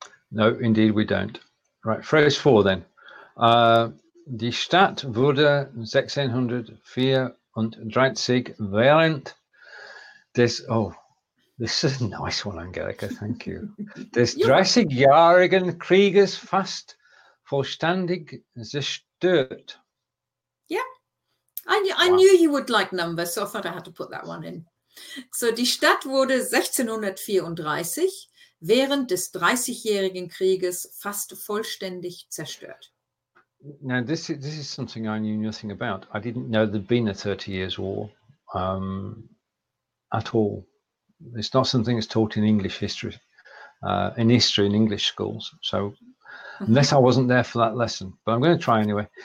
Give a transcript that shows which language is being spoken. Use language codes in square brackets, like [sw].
[en] No, indeed we don't. Right, phrase four then. [de] Die Stadt wurde 1634 während des... [en] Oh. This is a nice one, Angelica. Thank you. [de] Des 30-jährigen Krieges fast vollständig zerstört. [en] Yeah. I knew you would like numbers, so I thought I had to put that one in. [de] So, die Stadt wurde 1634 während des 30-jährigen Krieges fast vollständig zerstört. [en] Now, this is something I knew nothing about. I didn't know there'd been a 30 years war at all. It's not something that's taught in English history, in English schools. So unless I wasn't there for that lesson, but I'm going to try anyway.